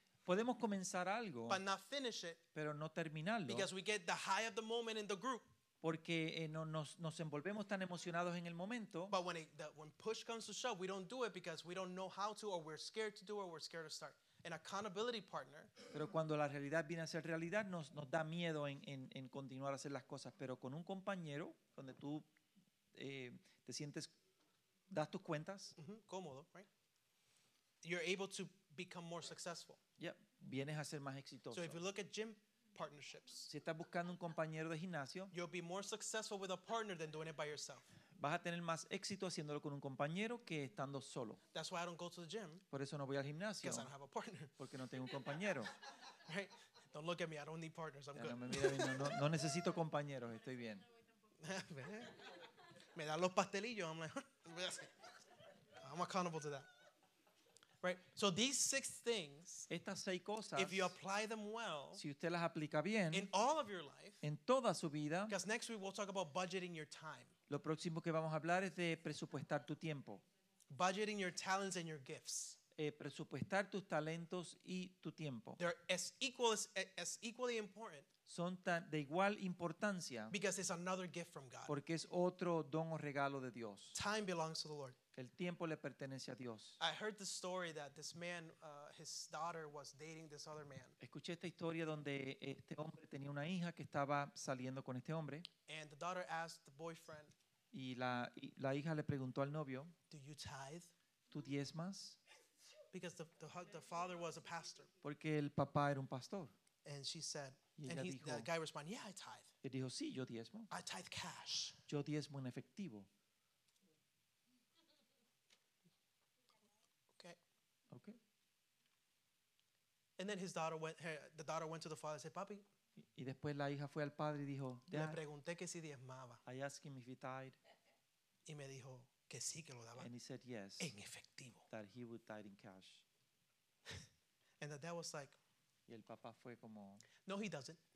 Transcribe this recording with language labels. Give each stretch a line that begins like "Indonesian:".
Spanish: Podemos comenzar algo.
English: But not finish it.
Spanish: Pero no terminarlo.
English: Because we get the high of the moment in the group.
Spanish: Porque nos envolvemos tan emocionados en el momento.
English: But when push comes to shove, we don't do it because we don't know how to, or we're scared to do, or we're scared to start. An accountability partner.
Spanish: Pero cuando la realidad viene a ser realidad, nos da miedo en continuar a hacer las cosas. Pero con un compañero, donde tú te sientes, das tus cuentas.
English: Mm-hmm. Cómodo, right? You're able to become more successful.
Spanish: Yeah, vienes a ser más exitoso.
English: So if you look at gym partnerships,
Spanish: si estás buscando un compañero de gimnasio,
English: you'll be more successful with a partner than doing it by yourself.
Spanish: Vas a tener más éxito haciéndolo con un compañero que estando solo.
English: That's why I don't go to the gym.
Spanish: Por eso no voy al gimnasio.
English: Because I don't have a partner.
Spanish: Porque no tengo un compañero.
English: Right? Don't look at me. I don't need partners. I'm
Spanish: no,
English: good.
Spanish: No, mira, no necesito compañeros. Estoy bien.
English: Me dan los pastelillos. I'm like, I'm accountable to that. Right? So these six things,
Spanish: estas seis cosas,
English: if you apply them well,
Spanish: si usted las aplica bien,
English: in all of your life,
Spanish: en toda su vida,
English: because next week we'll talk about budgeting your time.
Spanish: Lo próximo que vamos a hablar es de presupuestar tu tiempo.
English: Budgeting your talents and your gifts.
Spanish: Presupuestar tus talentos y tu tiempo.
English: They're as equally important.
Spanish: Son de igual importancia.
English: Because it's another gift from God.
Spanish: Porque es otro don o regalo de Dios.
English: Time belongs to the Lord.
Spanish: El tiempo le pertenece a Dios.
English: I heard the story that this man, his daughter was dating this other man.
Spanish: Escuché esta historia donde este hombre tenía una hija que estaba saliendo con este hombre.
English: And the daughter asked the boyfriend,
Spanish: y la hija le preguntó al novio,
English: do you tithe?
Spanish: ¿Tú diezmas?
English: Because the father was a pastor.
Spanish: Porque el papá era un pastor.
English: And she said,
Spanish: dijo,
English: the guy responded, yeah, I tithe.
Spanish: Él dijo, sí, yo diezmo.
English: I tithe cash.
Spanish: Yo diezmo en efectivo.
English: And then the daughter went to the father and said, Papi.
Spanish: Y después la hija fue al padre y dijo, Dad, le pregunté que si diezmaba.
English: I asked him if he tied.
Spanish: Y me dijo que sí, que lo daba.
English: And he said yes.
Spanish: En efectivo.
English: That he would tie in cash. And the dad was like,
Spanish: y el papá fue como,
English: no, he doesn't.